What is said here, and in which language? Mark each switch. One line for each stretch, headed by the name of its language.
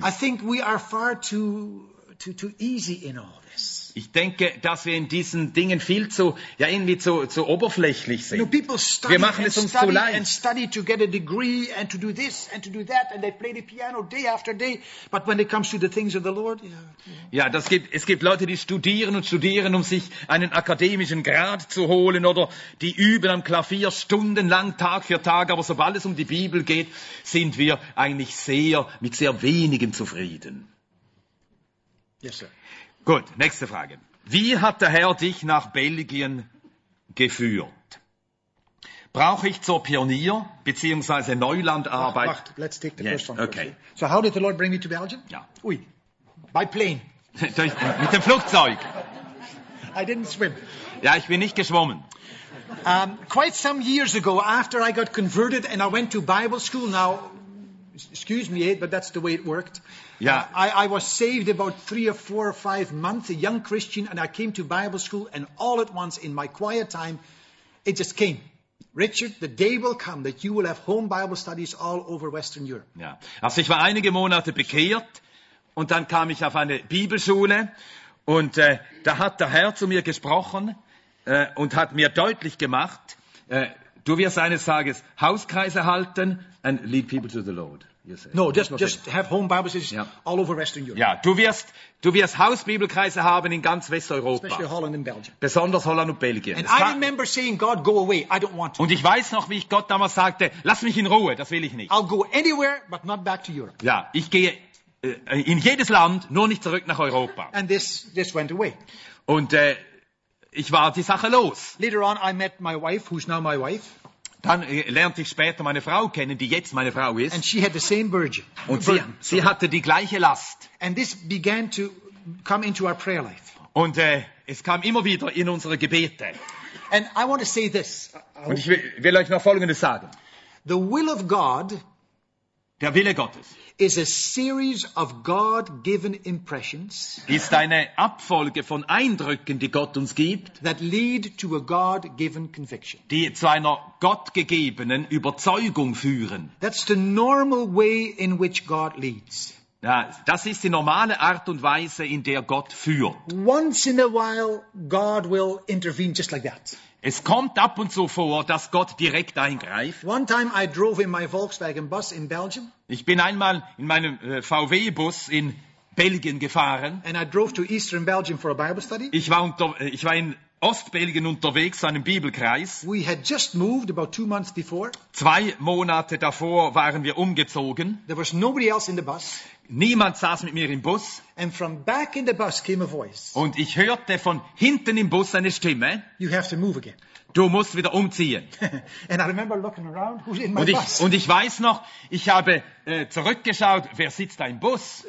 English: I think we are far too easy in all this.
German: Ich denke, dass wir in diesen Dingen viel zu, ja, irgendwie zu oberflächlich sind.
English: You know, people study,
German: wir machen es uns
English: study
German: zu leicht.
English: And study to get a degree and to do this and to do that and they play the piano day after day. But when it comes to the things of the Lord, yeah.
German: Ja, es gibt Leute, die studieren, um sich einen akademischen Grad zu holen oder die üben am Klavier stundenlang, Tag für Tag. Aber sobald es um die Bibel geht, sind wir eigentlich mit sehr wenigem zufrieden.
English: Yes, sir.
German: Gut, nächste Frage. Wie hat der Herr dich nach Belgien geführt? Brauche ich zur Pionier- bzw. Neulandarbeit?
Dutch: Wacht,
English: let's take the yes, first one. Okay. So how did the Lord bring me to Belgium?
German: Ja.
English: Ui, by plane.
German: Mit dem Flugzeug.
English: I didn't swim.
German: Ja, ich bin nicht geschwommen.
English: Quite some years ago, after I got converted and I went to Bible school, now, excuse me, but that's the way it worked. Yeah. I was saved about 3 or 4 or 5 months, a young Christian, and I came to Bible school, and all at once, in my quiet time, it just came. Richard, the day will come that you will have home Bible studies all over Western Europe.
German: Ja. Also ich war einige Monate bekehrt, und dann kam ich auf eine Bibelschule, und da hat der Herr zu mir gesprochen, und hat mir deutlich gemacht, Du wirst eines Tages Hauskreise halten
English: and lead people to the Lord. You say. No, just have home Bible studies all over Western Europe.
German: Ja, du wirst Hausbibelkreise haben in ganz Westeuropa.
English: Especially Holland and Belgium.
German: Besonders Holland und Belgien.
English: And I remember saying, God, go away. I don't want to.
German: Und ich weiß noch, wie ich Gott damals sagte, lass mich in Ruhe, das will ich nicht.
English: I'll go anywhere, but not back to Europe.
German: Ja, ich gehe in jedes Land, nur nicht zurück nach Europa.
English: And this went away.
German: Und ich war die Sache los.
English: Later on, I met my wife, who's now my wife.
German: Dann lernte ich später meine Frau kennen, die jetzt meine Frau ist.
English: And she had the same burden.
German: Und sie hatte die gleiche Last.
English: And this began to come into our prayer life.
German: Und es kam immer wieder in unsere Gebete.
English: And I want to say this.
German: Und ich will euch noch Folgendes sagen.
English: The will of God,
German: der Wille Gottes,
English: is a series of God-given impressions,
German: ist eine Abfolge von Eindrücken, die Gott uns gibt,
English: that lead to a God-given conviction,
German: die zu einer gottgegebenen Überzeugung führen.
English: That's the normal way in which God leads.
German: Ja, das ist die normale Art und Weise, in der Gott führt.
English: Once in a while, God will intervene just like that.
German: Es kommt ab und zu vor, dass Gott direkt eingreift.
English: One time I drove in my Volkswagen bus in Belgium.
German: Ich bin einmal in meinem VW-Bus in Belgien gefahren.
English: And I drove to Eastern Belgium for a Bible study.
German: Ich war in Ostbelgien unterwegs, einem Bibelkreis.
English: We had just moved about 2 months before.
German: 2 Monate davor waren wir umgezogen.
English: There was nobody else in the bus.
German: Niemand saß mit mir im Bus.
English: And from back in the bus came a voice.
German: Und ich hörte von hinten im Bus eine Stimme.
English: You have to move again.
German: Du musst wieder umziehen.
English: And I remember looking around, who's in my bus.
German: Und ich weiß noch, ich habe zurückgeschaut, wer sitzt da im Bus?